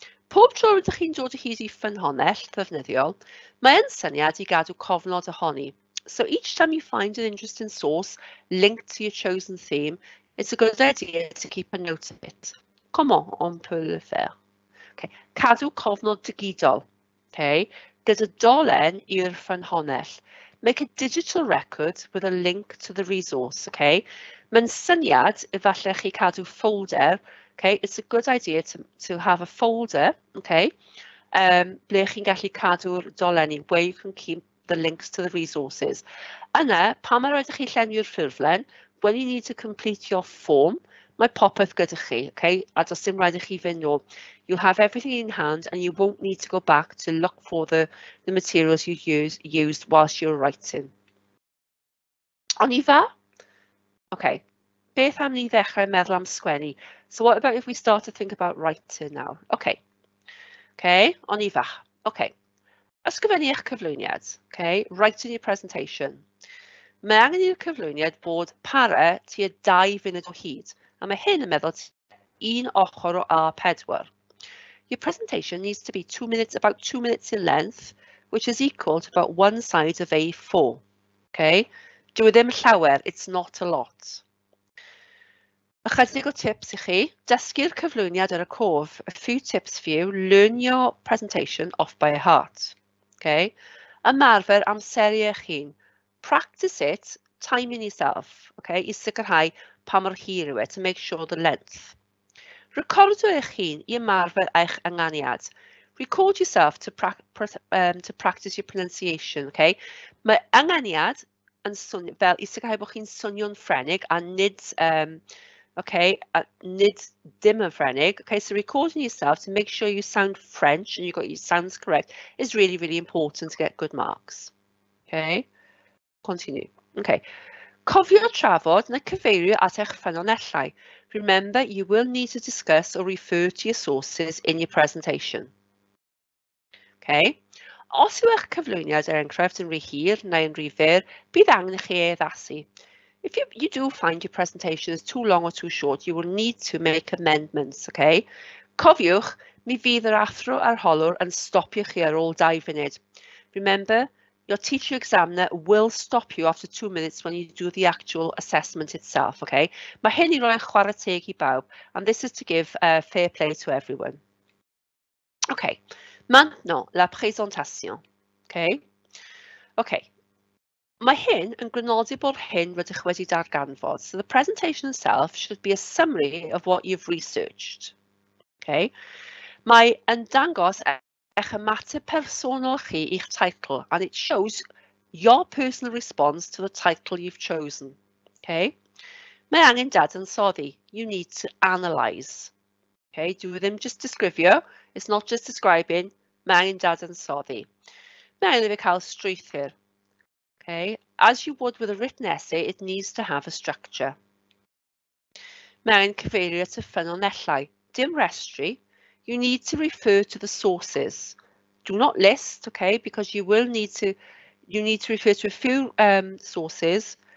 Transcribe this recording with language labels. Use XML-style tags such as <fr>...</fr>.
<cy>Pob tro rydych chi'n dod o hyd i ffynhonnell ddefnyddiol, mae'n syniad i gadw cofnod ohoni.</cy> <en>So each time you find an interesting source linked to your chosen theme, it's a good idea to keep a note of it.</en> <fr>Comment on peut le faire? Okay.</fr> <cy>Cadw cofnod digidol.</cy> <fr>Okay.</fr> <cy>Gyda dolen i'r ffynhonnell.</cy> <en>Make a digital record with a link to the resource, okay?</en> <cy>Mae'n syniad efallai chi cadw folder, okay?</cy> <en>It's a good idea to have a folder, okay?</en> <cy>Ble chi'n gallu cadw'r dolenni,</cy> <en>where you can keep the links to the resources.</en> <cy>Yna, pam mae'n rhaid i chi llenwi'r ffurflen,</cy> <en>when you need to complete your form,</en> <cy>mae popeth gyda chi, okay? A does dim rhaid i chi fynd nôl.</cy> <en>You'll have everything in hand and you won't need to go back to look for the materials you used whilst you're writing. On i fa? Okay.</en> <cy>Beth am ni ddechrau meddwl am sgwennu?</cy> <en>So what about if we start to think about writing now? Okay. Okay. On i fa? Okay.</en> <cy>Ysgrifennu eich cyflwyniad.</cy> <en>Okay. Writing your presentation.</en> <cy>Mae angen i'r cyflwyniad bod para tua 2 funud o hyd. A mae hyn yn meddwl un ochr o A4.</cy> <en>Your presentation needs to be about two minutes in length, which is equal to about one side of A4. Okay?</en> <cy>Dyw e ddim llawer,</cy> <en>it's not a lot.</en> <cy>Ychydig o tips i chi, dysgu'r cyflwyniad ar y cof.</cy> <en>A few tips for you, learn your presentation off by heart. Okay?</en> <cy>Ymarfer amseru eich hun.</cy> <en>Practice it, timing yourself, okay?</en> <cy>I sicrhau pa mor hir yw e,</cy> <en>to make sure the length.</en> <cy>Recordio eich hun i ymarfer eich ynganiad.</cy> <en>Record yourself to practice your pronunciation, okay?</en> <cy>Mae ynganiad yn swnio, fel i sicrhau bod chi'n swnio'n Ffrenig a nid, okay, a nid dim yn Ffrenig.</cy> <en>Okay, so recording yourself to make sure you sound French and you've got your sounds correct is really, really important to get good marks. Okay, continue. Okay.</en> <cy>Cofio trafod neu cyfeirio at eich ffynonellau.</cy> <en>Remember, you will need to discuss or refer to your sources in your presentation. Okay.</en> <cy>Os yw eich cyflwyniad er enghraifft yn rhy hir neu yn rhy fyr, bydd angen i chi ei addasu.</cy> <en>If you do find your presentation is too long or too short, you will need to make amendments. Okay.</en> <cy>Cofiwch, mi fydd yr athro a'r holwr yn stopio chi ar ôl 2 funud.</cy> <en>Remember, your teacher examiner will stop you after 2 minutes when you do the actual assessment itself, okay?</en> <cy>Mae hyn i roi chwarae teg i bawb,</cy> <en>and this is to give fair play to everyone.</en> <fr>Okay, maintenant, la présentation, okay?</fr> <cy>Okay, mae hyn yn grynoldi bod hyn rydych wedi darganfod.</cy> <en>So the presentation itself should be a summary of what you've researched, okay?</en> <cy>Mae yn dangos eich ymateb personol chi i'ch title,</cy> <en>and it shows your personal response to the title you've chosen. Okay?</en> <cy>Mae angen dadansoddi.</cy> <en>You need to analyse. Okay? Dyw ddim just disgrifio. It's not just describing. Mae angen dadansoddi.</en> <cy>Mae angen i fi cael strwythyr. Okay?</cy> <en>As you would with a written essay, it needs to have a structure.</en> <cy>Mae angen cyfeirio at y ffynonellau. Dim restri.</cy> <en>You need to refer to the sources. Do not list, okay, because you will need to, you need to refer to a few sources.</en>